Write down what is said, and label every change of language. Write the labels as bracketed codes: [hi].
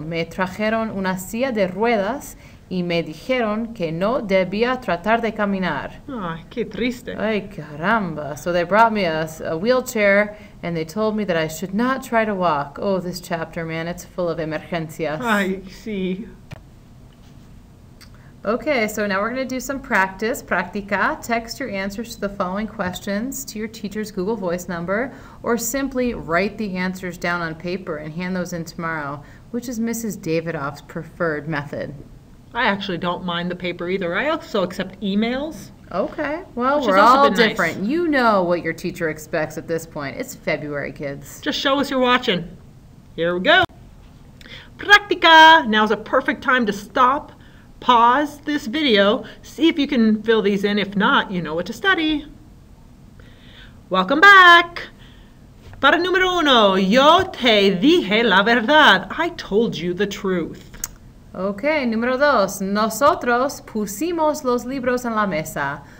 [es] Me trajeron una silla de ruedas y me dijeron que no debía tratar de caminar. Ay, qué triste. Ay, caramba. [en] So they brought me a wheelchair and they told me that I should not try to walk. Oh, this chapter, man, it's full of emergencias. [es] Ay, sí. [en] Okay, so now we're going to do some practice, practica. Text your answers to the following questions to your teacher's Google Voice number, or simply write the answers down on paper and hand those in tomorrow, which is Mrs. Davidoff's preferred method. I actually don't mind the paper either. I also accept emails. Okay, well, we're all different. Nice. You know what your teacher expects at this point. It's February, kids. Just show us you're watching. Here we go. Practica! Now's a perfect time to stop. Pause this video, see if you can fill these in. If not, you know what to study. Welcome back. [es] Para número uno, yo te dije la verdad. [en] I told you the truth. [es] Okay, número dos, nosotros pusimos los libros en la mesa.